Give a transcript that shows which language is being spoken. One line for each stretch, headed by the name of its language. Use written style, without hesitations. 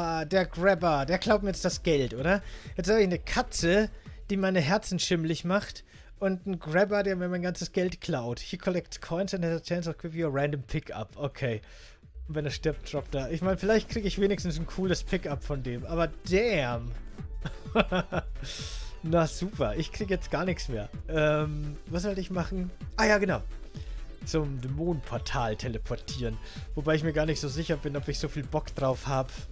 German: Der Grabber, der klaut mir jetzt das Geld, oder? Jetzt habe ich eine Katze, die meine Herzen schimmelig macht und einen Grabber, der mir mein ganzes Geld klaut.
English: He collects coins and has a chance to give you a random pickup. Okay.
German: Und wenn er stirbt, droppt er. Ich meine, vielleicht kriege ich wenigstens ein cooles Pickup von dem, aber damn. Na super, ich kriege jetzt gar nichts mehr. Was sollte ich machen? Ah ja, genau. Zum Dämonenportal teleportieren. Wobei ich mir gar nicht so sicher bin, ob ich so viel Bock drauf habe.